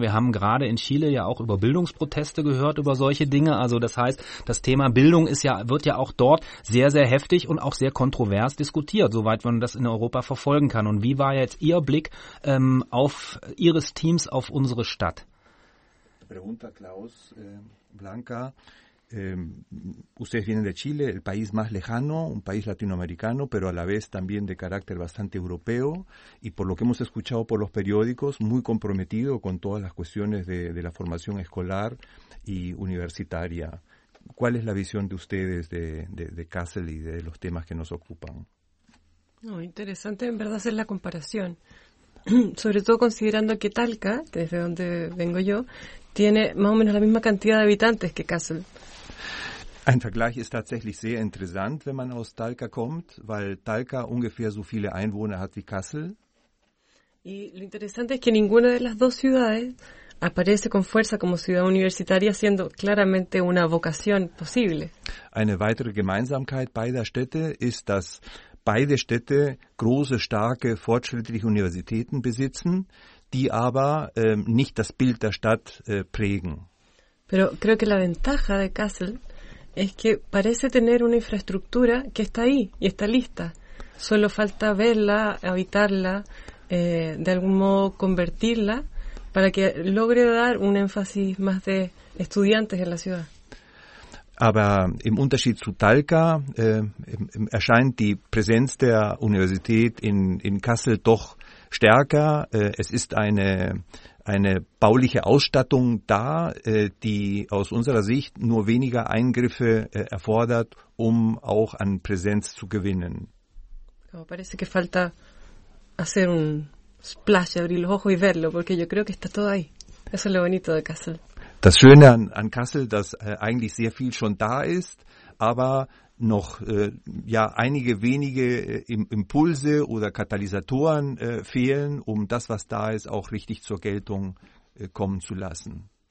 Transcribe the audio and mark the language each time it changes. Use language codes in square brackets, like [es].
[de] Wir haben gerade in Chile ja auch über Bildungsproteste gehört, über solche Dinge. Also das heißt, das Thema Bildung wird ja auch dort sehr, sehr heftig und auch sehr kontrovers diskutiert, soweit man das in Europa verfolgen kann. Und wie war jetzt Ihr Blick auf Ihres Teams auf unsere Stadt? [es] Pregunta Klaus, Blanca. Ustedes vienen de Chile, el país más lejano, un país latinoamericano, pero a la vez también de carácter bastante europeo y por lo que hemos escuchado por los periódicos, muy comprometido con todas las cuestiones de la formación escolar y universitaria. ¿Cuál es la visión de ustedes de Kassel y de los temas que nos ocupan? Oh, interesante, en verdad, hacer la comparación. Sobre todo considerando que Talca, desde donde vengo yo, tiene más o menos la misma cantidad de habitantes que Kassel. [de] Ein Vergleich ist tatsächlich sehr interessant, wenn man aus Talca kommt, weil Talca ungefähr so viele Einwohner hat wie Kassel. [es] Y lo interesante es que ninguna de las dos ciudades aparece con fuerza como ciudad universitaria, siendo claramente una vocación posible. [de] Eine weitere Gemeinsamkeit beider Städte ist, dass beide Städte große, starke, fortschrittliche Universitäten besitzen, die aber nicht das Bild der Stadt prägen. [es] Pero creo que la ventaja de Kassel es que parece tener una infraestructura que está ahí y está lista. Solo falta verla, habitarla, de algún modo convertirla para que logre dar un énfasis más de estudiantes en la ciudad. [de] Aber im Unterschied zu Talca erscheint die Präsenz der Universität in Kassel doch stärker. Es ist eine bauliche Ausstattung da, die aus unserer Sicht nur weniger Eingriffe erfordert, um auch an Präsenz zu gewinnen. [es] Me parece que falta hacer un splash, abrir los ojos y verlo, porque yo creo que está todo ahí. Eso es lo bonito de Kassel. [de] Das Schöne an Kassel, dass eigentlich sehr viel schon da ist, aber noch einige wenige Impulse oder Katalysatoren fehlen, um das, was da ist, auch richtig zur Geltung kommen zu lassen.